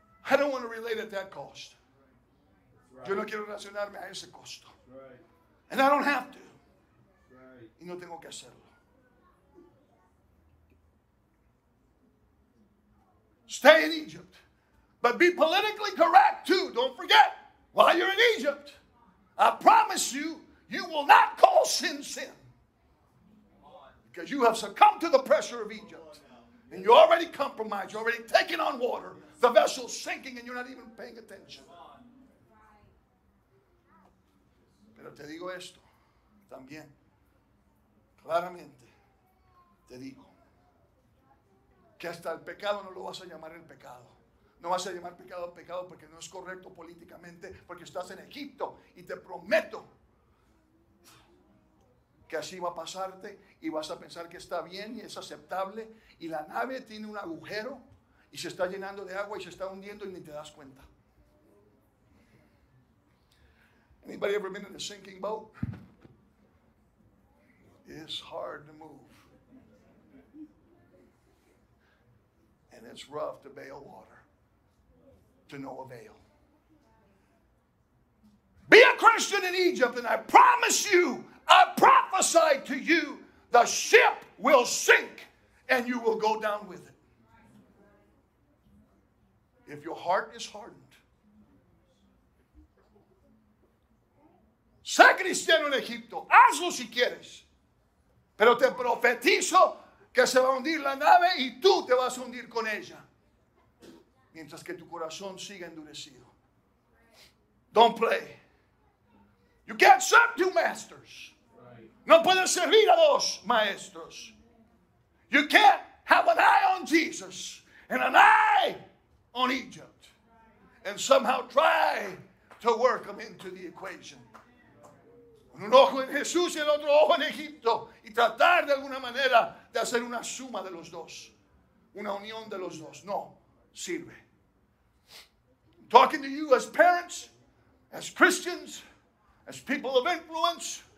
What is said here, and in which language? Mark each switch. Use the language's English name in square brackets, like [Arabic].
[English] I don't want to relate at that cost. Right. [Spanish] Yo no quiero relacionarme a ese costo. [English] Right. And I don't have to. Right. [Spanish] Y no tengo que hacerlo. [English] Stay in Egypt. But be politically correct too. Don't forget, while you're in Egypt, I promise you, you will not call sin, sin. Because you have succumbed to the pressure of Egypt. And you already compromised. You're already taking on water. The vessel's sinking and you're not even paying attention. [Spanish] Pero te digo esto también, claramente te digo que hasta el pecado no lo vas a llamar el pecado. No vas a llamar pecado pecado porque no es correcto políticamente, porque estás en Egipto, y te prometo que así va a pasarte y vas a pensar que está bien y es aceptable, y la nave tiene un agujero y se está llenando de agua y se está hundiendo y ni te das cuenta. [English] Anybody ever been in a sinking boat? It's hard to move. And it's rough to bail water to no avail. Be a Christian in Egypt, and I promise you, I prophesy to you, the ship will sink and you will go down with it. If your heart is hardened, [Spanish] sé cristiano en Egipto, hazlo si quieres, pero te profetizo que se va a hundir la nave y tú te vas a hundir con ella, mientras que tu corazón siga endurecido. [English] Don't play. You can't serve two masters. [Spanish] No puedes servir a dos maestros. [English] You can't have an eye on Jesus and an eye on Egypt and somehow try to work them into the equation. [Spanish] Un ojo en Jesús y el otro ojo en Egipto. Y tratar de alguna manera de hacer una suma de los dos. Una unión de los dos. No sirve. [English] I'm talking to you as parents, as Christians, as people of influence.